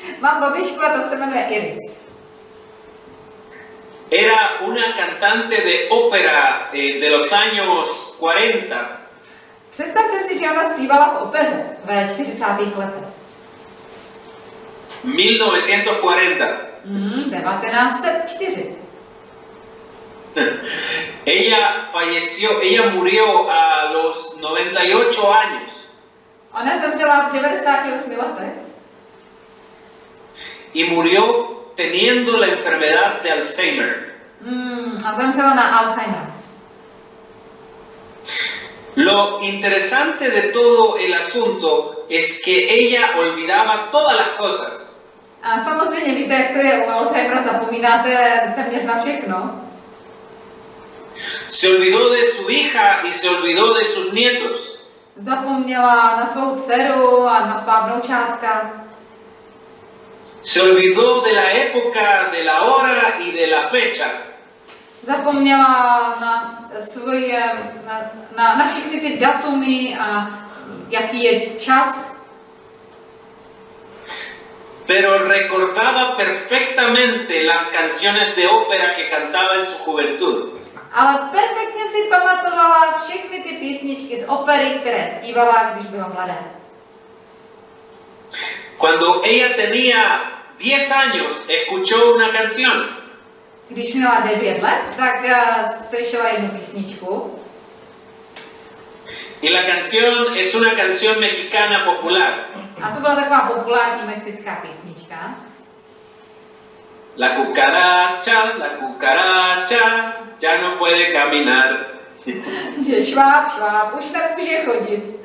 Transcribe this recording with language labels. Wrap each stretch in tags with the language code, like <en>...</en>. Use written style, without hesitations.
<cs>Mám babičku a ta se jmenuje Iris.</cs> <es>Era una cantante de ópera de los años 40.</es> <cs>Představte si, že ona zpívala v opeře ve 40. letech. 1940.</cs> <es>Ella falleció, ella murió a los 98 años.</es> <cs>Ona zemřela v 98 letech.</cs> <es>Y murió teniendo la enfermedad de Alzheimer.</es> <cs>A zemřela na Alzheimer.</cs> <es>Lo interesante de todo el asunto es que ella olvidaba todas las cosas.</es> <cs>A samozřejmě víte, jak to je u Alzheimera, zapomínáte téměř na všechno.</cs> <es>Se olvidó de su hija y se olvidó de sus nietos.</es> <cs>Zapomněla na svou dceru a na svá vnoučátka.</cs> <es>Se olvidó de la época, de la hora y de la fecha.</es> <cs>Zapomněla na svoje, na všechny ty datumy a jaký je čas.</cs> <es>Pero recordaba perfectamente las canciones de ópera que cantaba en su juventud.</es> <cs>Ale perfektně si pamatovala všechny ty písničky z opery, které zpívala, když byla mladá.</cs> <es>Cuando ella tenía 10 años, escuchó una canción.</es> <cs>Když měla 9 let, tak slyšela jednu písničku.</cs> <es>Y la canción es una canción mexicana popular.</es> <cs>A to byla taková populární mexická písnička.</cs> <es>La cucaracha, la cucaracha, ya no puede caminar.</es> <cs>Že šváb, šváb, už nemůže chodit.</cs>